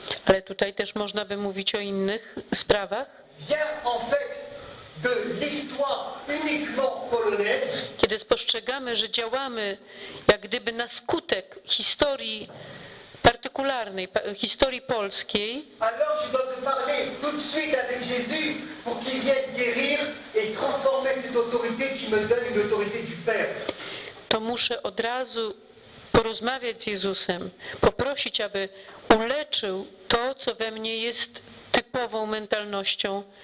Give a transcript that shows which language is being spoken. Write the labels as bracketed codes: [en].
[pl] Ale tutaj też można by mówić o innych sprawach. [fr] Vient en fait de l'histoire uniquement polonaise. [pl] Kiedy spostrzegamy, że działamy jak gdyby na skutek historii partykularnej, historii polskiej. [fr] Alors je dois te parler tout de suite avec Jésus pour qu'il vienne guérir et transformer cette autorité qui me donne une autorité du Père. [pl] To muszę od razu porozmawiać z Jezusem, poprosić, aby uleczył to, co we mnie jest typową mentalnością.